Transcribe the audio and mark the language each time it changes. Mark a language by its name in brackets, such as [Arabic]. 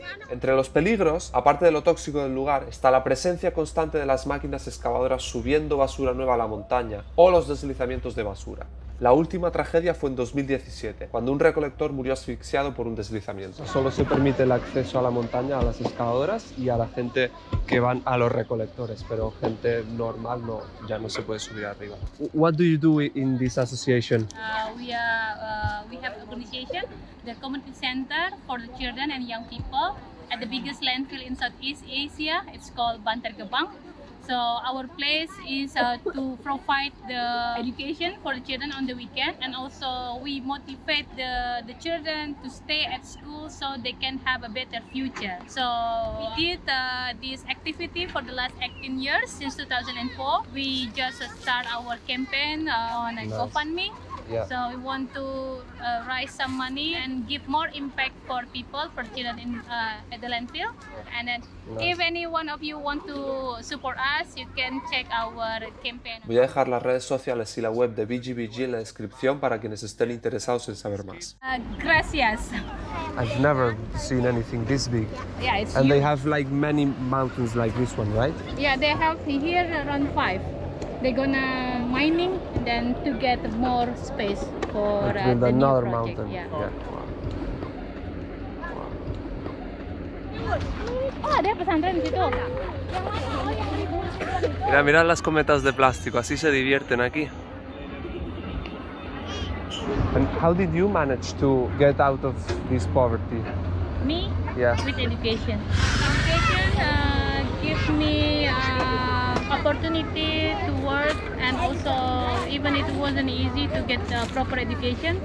[Spanish] Entre los peligros, aparte de lo tóxico del lugar, está la presencia constante de las máquinas excavadoras subiendo basura nueva a la montaña o los deslizamientos de basura. La última tragedia fue en 2017, cuando un recolector murió asfixiado por un deslizamiento. Solo se permite el acceso a la montaña a las excavadoras y a la gente que van a los recolectores, pero gente normal no, ya no se puede subir arriba. [English] What do you do in this association? We have organization, the community center for the children and young people at the biggest landfill in Southeast Asia. It's called Bantar Gebang. So our place is to provide the education for the children on the weekend, and also we motivate the children to stay at school so they can have a better future. So we did this activity for the last 18 years since 2004. We just start our campaign on a GoFundMe. Yeah. So we want to raise some money and give more impact for people, for children in at the landfill. And then if any one of you want to support us, you can check our campaign. [Spanish] Voy a dejar las redes sociales y la web de BGBG en la descripción para quienes estén interesados en saber más. Gracias. [English] I've never seen anything this big. Yeah, it's and huge. They have like many mountains like this one, right? Yeah, they have here around 5. They're gonna mining then to get more space for build the another new mountain. [Indonesian] Yeah. Oh, deh pesantren situ. [Spanish] Mira, mira las cometas de plástico, así se divierten aquí. [English] And how did you manage to get out of this poverty? Me? Yes. With education. Education gives me opportunity to work, and also even it wasn't easy to get the proper education.